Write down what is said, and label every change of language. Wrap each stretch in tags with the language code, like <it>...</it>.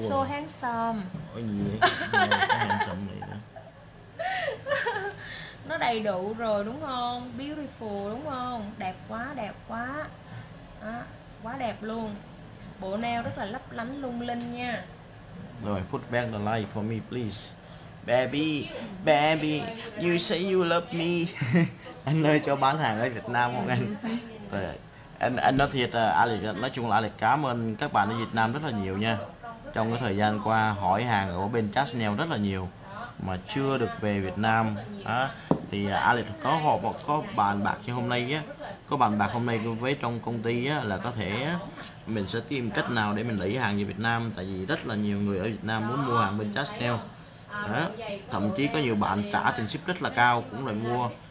<en>So handsome.</en> <vi>Ôi nhiều đấy, handsome này đó. Nó đầy đủ rồi đúng không? Beautiful đúng không? Đẹp quá, đẹp quá. Đó, quá đẹp luôn. Bộ nail rất là lấp lánh lung linh nha. Rồi,</vi> <en>put back the light for me please. Baby, baby, you say you love me.</en> <vi>Anh ơi, cho bán hàng ở Việt Nam không anh? Anh nói thiệt, Alex, nói chung là Alex cảm ơn các bạn ở Việt Nam rất là nhiều nha. Trong cái thời gian qua hỏi hàng ở bên Chanel rất là nhiều mà chưa được về Việt Nam á, thì Alex có họp, có bàn bạc như hôm nay á, có bàn bạc hôm nay với trong công ty á, là có thể mình sẽ tìm cách nào để mình lấy hàng về Việt Nam, tại vì rất là nhiều người ở Việt Nam muốn mua hàng bên Chanel á, thậm chí có nhiều bạn trả tiền ship rất là cao cũng lại mua.</vi>